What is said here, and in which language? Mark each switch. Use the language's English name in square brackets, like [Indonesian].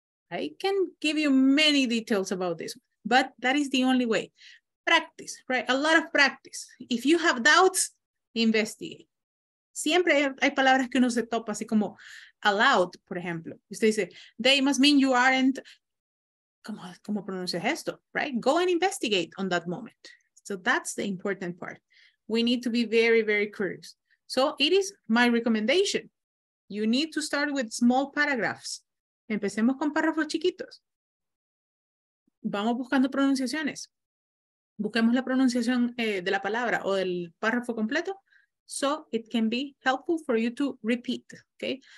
[English] I can give you many details about this, but that is the only way. Practice, right? A lot of practice. If you have doubts, investigate. [Spanish] Siempre hay palabras que uno se topa, así como allowed, por ejemplo. Usted dice, [English] they must mean you aren't, [Spanish] ¿cómo pronuncias esto? [English] Right? Go and investigate on that moment. So that's the important part. We need to be very, very curious. So it is my recommendation. You need to start with small paragraphs. [Spanish] Empecemos con párrafos chiquitos. vamos buscando pronunciaciones. Busquemos la pronunciación de la palabra o del párrafo completo. [English] So it can be helpful for you to repeat, okay?